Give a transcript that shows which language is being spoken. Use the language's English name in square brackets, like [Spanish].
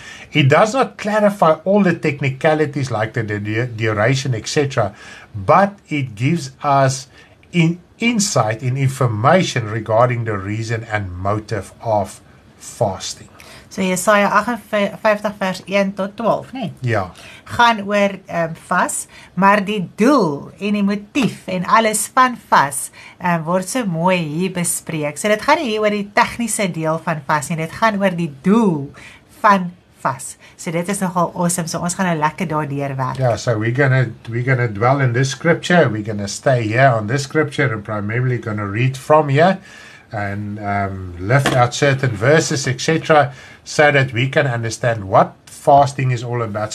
[English] It does not clarify all the technicalities like the duration, etc., but it gives us insight and information regarding the reason and motive of fasting. [Afrikaans] So Jesaja 58 vers 1 tot 12, nee? Ja. Gaan oor vas, maar die doel en die motief en alles van vas word so mooi hier bespreek. So dit gaan nie hier oor die technische deel van vas nie, dit gaan oor die doel van vas. So dit is nogal awesome, so ons gaan een lekker daardoor werk. [English] Ja, so we're gonna dwell in this scripture, we're gonna stay here on this scripture and primarily gonna read from here. And lift out certain verses, etc., so that we can understand what fasting is all about.